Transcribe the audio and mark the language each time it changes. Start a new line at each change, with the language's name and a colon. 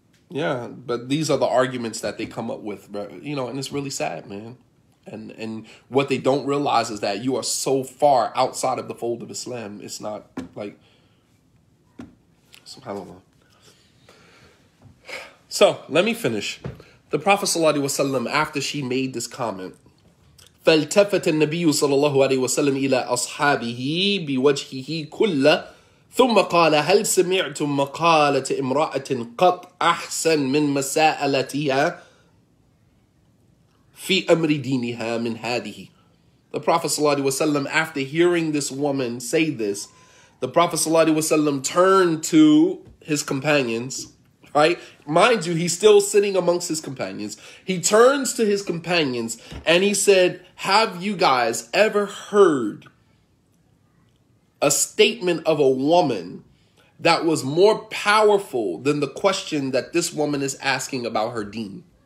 English: Yeah, but these are the arguments that they come up with, you know, and it's really sad, man. And what they don't realize is that you are so far outside of the fold of Islam. It's not like, subhanAllah. So let me finish.
Arabic: The Prophet sallallahu alaihi wasallam, after she made this comment, فالتفت النبي صلى الله عليه وسلم إلى أصحابه بوجهه كل ثم قال هل سمعتم مقالة امرأة قط أحسن من مساءلتها في أمر دينها من هذه.
English: The Prophet صلى الله عليه وسلم, after hearing this woman say this, the Prophet صلى الله عليه وسلم turned to his companions, right? Mind you, he's still sitting amongst his companions. He turns to his companions and he said, have you guys ever heard a statement of a woman that was more powerful than the question that this woman is asking about her deen?